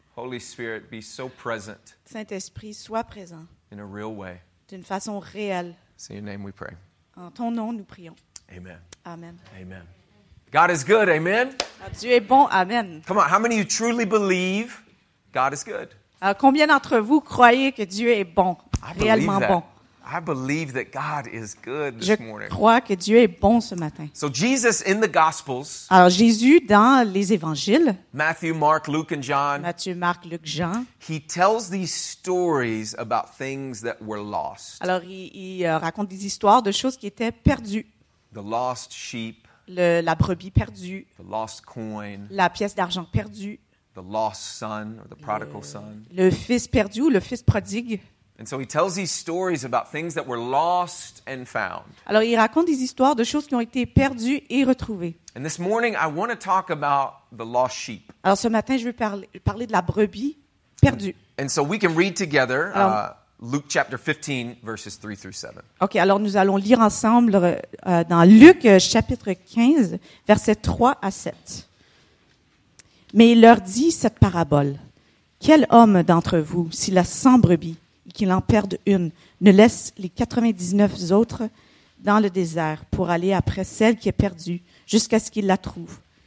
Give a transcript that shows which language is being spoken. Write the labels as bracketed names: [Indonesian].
[English] Holy Spirit, be so present. [French] Saint-Esprit, sois présent. [English] In a real way. [French] D'une façon réelle. [English] In your name we pray. [French] En ton nom, nous prions. [English] Amen. [French] Amen. [English] Amen. God is good. Amen. [French] Dieu est bon. Amen. [English] Come on. How many of you truly believe God is good? [French] Combien d'entre vous croyez que Dieu est bon, réellement bon? [English] I believe that God is good this [French] Je [English] morning. [French] Je crois que Dieu est bon ce matin. [English] So Jesus in the Gospels. [French] Alors Jésus dans les Évangiles. [English] Matthew, Mark, Luke, and John. [French] Matthieu, Marc, Luc, Jean. [English] He tells these stories about things that were lost. [French] Alors il raconte des histoires de choses qui étaient perdues. [English] The lost sheep. [French] La brebis perdue, [English] the lost coin, [French] la pièce d'argent perdue, [English] the lost son or the prodigal son, [French] le fils perdu ou le fils prodigue. [English] And so he tells these stories about things that were lost and found. [French] Alors il raconte des histoires de choses qui ont été perdues et retrouvées. [English] And this morning I want to talk about the lost sheep. [French] Alors ce matin je veux parler de la brebis perdue. [English] And so we can read together. Luke chapter 15, verses 3 through 7. [French] Okay, alors nous allons lire ensemble dans Luc chapitre 15, versets 3 à 7. Mais il leur dit cette parabole. Quel homme d'entre vous, s'il a 100 brebis et qu'il en perde une, ne laisse les 99 autres dans le désert pour aller après celle qui est perdue jusqu'à ce qu'il la trouve?